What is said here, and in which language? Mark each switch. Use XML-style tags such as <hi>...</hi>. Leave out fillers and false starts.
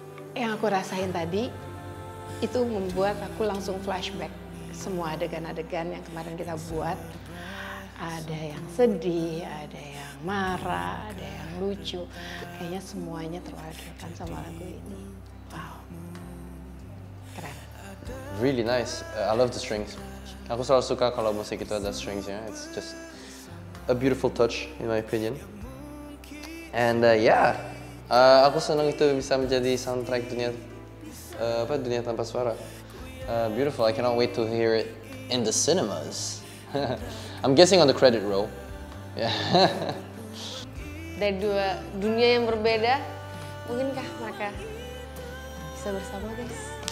<id>Yang aku rasain tadi itu membuat aku langsung flashback semua adegan-adegan yang kemarin kita buat. Ada yang sedih, ada yang marah, ada yang lucu. Kayaknya semuanya terwakilkan sama lagu ini. Wow. Keren.</id> <en>Really nice. I love the strings.</en> <id>Aku selalu suka kalau musik itu ada strings-nya.</id> <en>Yeah? It's just a beautiful touch in my opinion. And yeah.</en> <id>Aku senang itu bisa menjadi soundtrack dunia apa dunia tanpa suara.</id> <en>Beautiful. I cannot wait to hear it in the cinemas. I'm guessing on the credit roll. Yeah.</en> <id>Dari dua dunia yang berbeda, mungkinkah mereka bisa bersama, guys?</id>